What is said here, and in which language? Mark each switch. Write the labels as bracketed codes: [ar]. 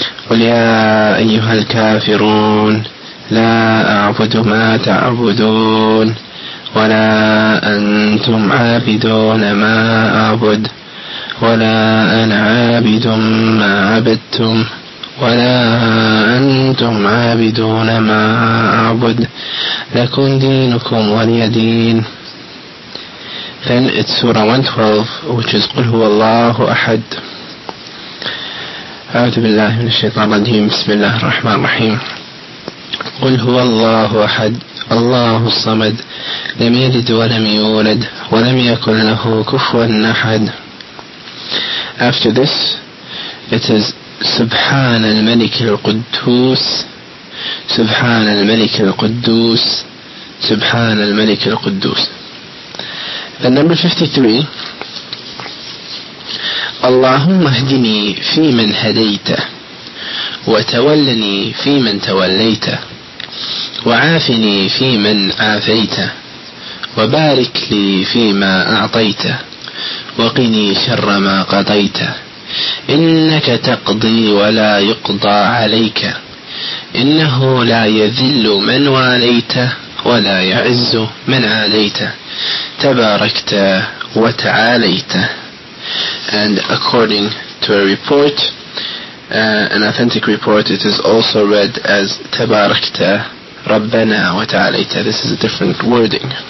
[ar] قل يا أيها الكافرون لا أعبد ما تعبدون ولا أنتم عابدون ما أعبد ولا أنا عابد ما عبدتم ولا أنتم عابدون ما أعبد لكم دينكم ولي دين. [en] Then it's Surah 112, which is قل هو الله أحد. [ar] أعوذ بالله من الشيطان الرجيم. بسم الله الرحمن الرحيم. قل هو الله أحد, الله الصمد, لم يلد ولم يولد, ولم يكن له كفوا أحد. [en] After this, it is [ar] سبحان الملك القدوس, سبحان الملك القدوس, سبحان الملك القدوس. [en] And number 53, [ar] اللهم اهدني في من هديت, وتولني في من توليت, وعافني في من عافيت, وبارك لي فيما أعطيت, وقني شر ما قضيت, إنك تقضي ولا يقضى عليك, إنه لا يذل من واليت ولا يعز من عاليت, تباركت وتعاليت. [en] And according to a report, an authentic report, it is also read as [ar] تباركت ربنا وتعاليت. [en] This is a different wording.